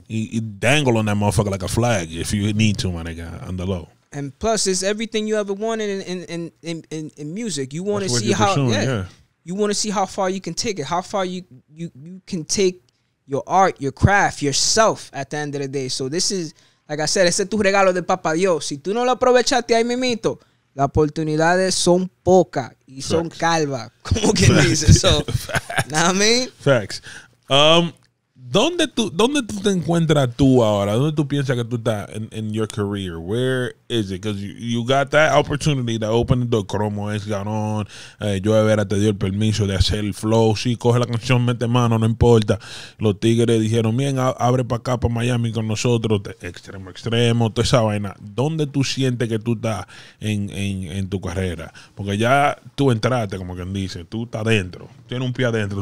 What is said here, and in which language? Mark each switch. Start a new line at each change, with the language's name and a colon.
English: Y dangle on that motherfucker like a flag if you need to, my nigga, on the low. And plus, it's everything you ever wanted in music. You want to see how you want to see how far you can take it, how far you can take your art, your craft, yourself at the end of the day. So this is, like I said,
Spanish: ese es tu regalo de papá Dios. Si tú no lo aprovechaste ahí mimito, las oportunidades son pocas y facts. Son calvas. ¿Cómo que dices? So, ¿no? I mean, facts. ¿Dónde tú te encuentras tú ahora? ¿Dónde tú piensas que tú estás en
English: your career? Where is it? Because you got that opportunity to open the door.
Spanish: Cromo es ganón. Yo de veras te dio el permiso de hacer el flow. Sí, coge la canción, mete mano, no importa. Los tigres dijeron, bien, abre para acá, para Miami con nosotros. Extremo, extremo, toda esa vaina. ¿Dónde tú sientes que tú estás en tu carrera? Porque ya tú entraste, como quien dice. Tú estás adentro. Tienes un pie adentro.